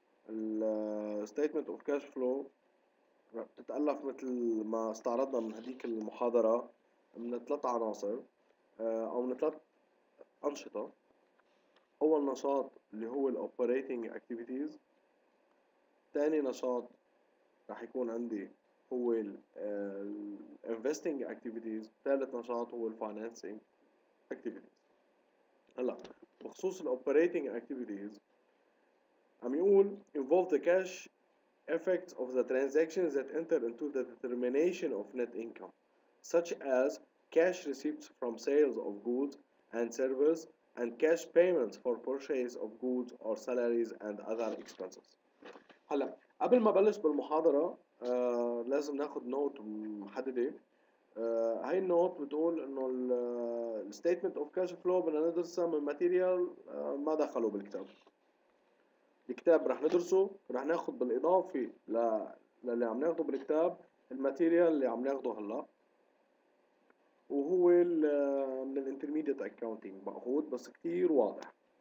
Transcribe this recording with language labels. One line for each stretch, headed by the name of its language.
Arabic: الـ Statement of Cash Flow بتتألف مثل ما استعرضنا من هذيك المحاضرة من ثلاث عناصر أو من ثلاث أنشطة. أول نشاط اللي هو الـ Operating Activities، ثاني نشاط رح يكون عندي هو الـ Investing Activities، ثالث نشاط هو الـ Financing Activities. هلا بخصوص الـ
English: Operating Activities
Arabic: عم يقول
English: involve the cash effects of the transactions that enter into the determination of net income, such as cash receipts from sales of goods and services and cash payments for purchase of goods or salaries and other expenses.
Arabic: هلا قبل ما بلش بالمحاضرة لازم ناخد نوت محددة. هاي النوت بتقول انه الـ statement of cash flow بدنا ندرسها من material ما دخلوا بالكتاب. الكتاب رح ندرسه، رح ناخد بالإضافة للي عم ناخده بالكتاب الماتيريال اللي عم ناخده هلا، وهو من الـ Intermediate Accounting مأخوذ بس كتير واضح.